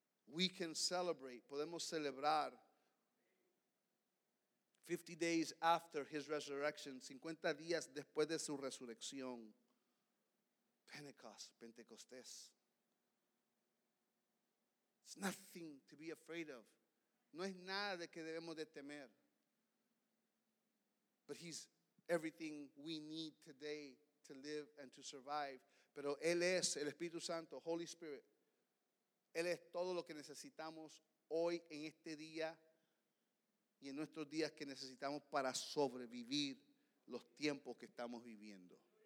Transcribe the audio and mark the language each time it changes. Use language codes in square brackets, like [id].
[en] We can celebrate, podemos celebrar 50 days after his resurrection, 50 días después de su resurrección, Pentecost, Pentecostés. It's nothing to be afraid of. [es] No es nada de que debemos de temer. [en] But he's everything we need today to live and to survive. [es] Pero él es el Espíritu Santo, Holy Spirit. Él es todo lo que necesitamos hoy en este día y en nuestros días que necesitamos para sobrevivir los tiempos que estamos viviendo.